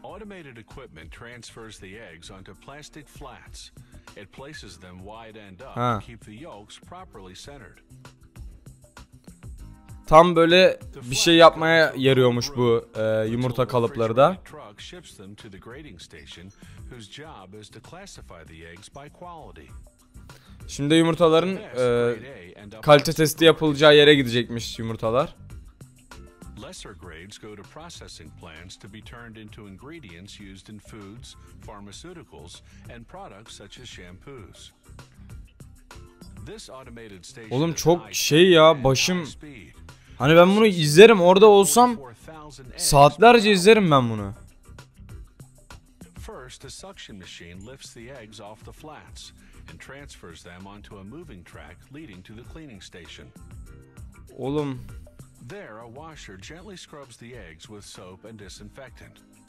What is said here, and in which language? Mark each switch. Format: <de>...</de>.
<en>Automated equipment transfers the eggs onto plastic flats. It places them wide end up to keep the yolks properly centered.</en> <tr>Tam böyle bir şey yapmaya yarıyormuş bu yumurta kalıpları da.</tr> <en>Truck ships them to the grading station whose job is to classify the eggs by quality.</en> <tr>Şimdi yumurtaların kalite testi yapılacağı yere gidecekmiş yumurtalar.</tr> <en>Lesser grades go to processing plants to be turned into ingredients used in foods, pharmaceuticals and products such as shampoos. This automated station.</en> <tr>Oğlum çok şey ya, başım. Hani ben bunu izlerim, orada olsam saatlerce izlerim ben bunu.</tr> <en>First, a suction machine lifts the eggs off the flats and transfers them onto a moving track leading to the cleaning station.</en> <tr>Oğlum</tr> <en>there a washer gently scrubs the eggs with soap and disinfectant.</en>